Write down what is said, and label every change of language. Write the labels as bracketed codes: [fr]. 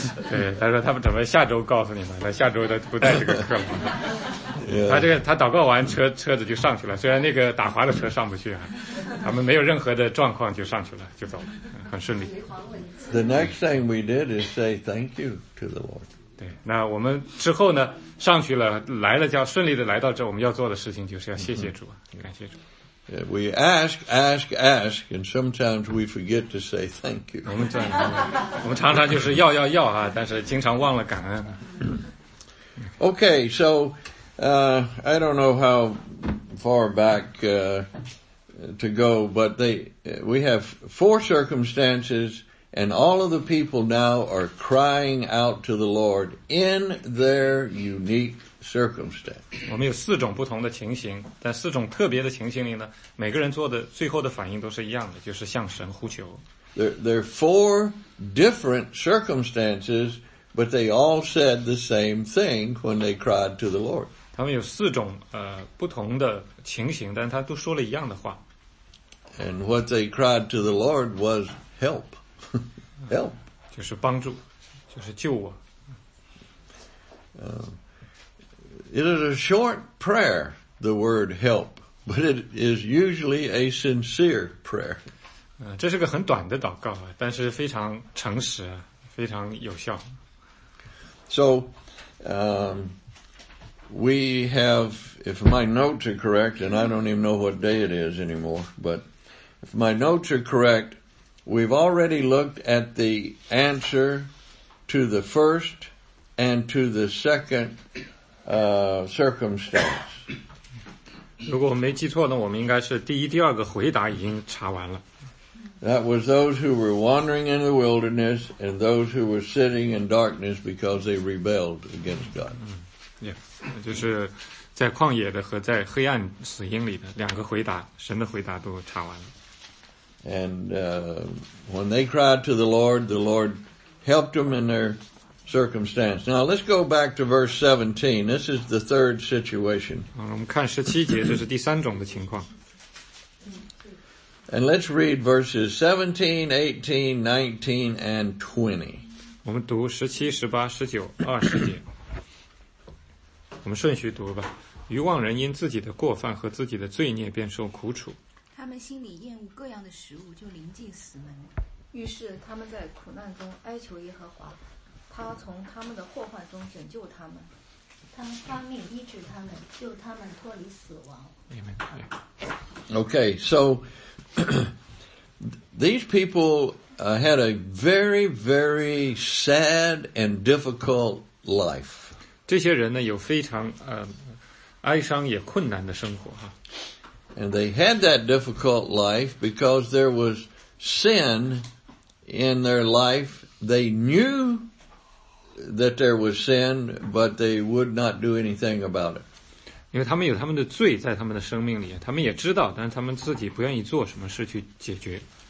[zh] 对，他说他们准备下周告诉你们，那下周的不带这个课了。 Yeah. 他这个他祷告完车子就上去了，虽然那个打滑的车上不去啊，他们没有任何的状况就上去了，就走了，很顺利。 [en] The next thing we did is say thank you to the Lord. [zh] 对，那我们之后呢，上去了，来了叫顺利的来到这，我们要做的事情就是要谢谢主， mm-hmm. 感谢主。 [en] We ask, and sometimes we forget to say thank you. [zh] 我们常常就是要啊，但是经常忘了感恩。 [en] Okay, so, I don't know how far back, to go, but we have four circumstances, and all of the people now are crying out to the Lord in their unique circumstance. [zh] 我们有四种不同的情形，但四种特别的情形里呢，每个人做的最后的反应都是一样的，就是向神呼求。 [en] There are four different circumstances, but they all said the same thing when they cried to the Lord. [zh] 他们有四种不同的情形，但他都说了一样的话。 [en] And what they cried to the Lord was help, help. [zh] 就是帮助，就是救我。 [en] It is a short prayer, the word help, but it is usually a sincere prayer. [zh] 这是个很短的祷告啊，但是非常诚实，非常有效。 [en] So, we have, if my notes are correct, and I don't even know what day it is anymore, but if my notes are correct, we've already looked at the answer to the first and to the second circumstance. [zh] 如果我没记错呢，我们应该是第一、第二个回答已经查完了。 [en] That was those who were wandering in the wilderness and those who were sitting in darkness because they rebelled against God. [zh] Yeah, 就是在旷野的和在黑暗死荫里的两个回答，神的回答都查完了。 [en] And when they cried to the Lord helped them in their circumstance. Now let's go back to verse 17. This is the third situation. [zh] 我们看17节，这是第三种的情况。 [en] And let's read verses 17, 18, 19, and 20. [zh] 我们读17、18、19、20节。我们顺序读吧。愚妄人因自己的过犯和自己的罪孽便受苦楚。他们心里厌恶各样的食物，就临近死门。于是他们在苦难中哀求耶和华，他从他们的祸患中拯救他们。他们发命医治他们，救他们脱离死亡。 [en] Amen. Okay, so these people had a very, very sad and difficult life. [zh] 这些人呢，有非常哀伤也困难的生活哈。 [en] And they had that difficult life because there was sin in their life. They knew that there was sin, but they would not do anything about it. [zh] 因为他们有他们的罪在他们的生命里，他们也知道，但是他们自己不愿意做什么事去解决。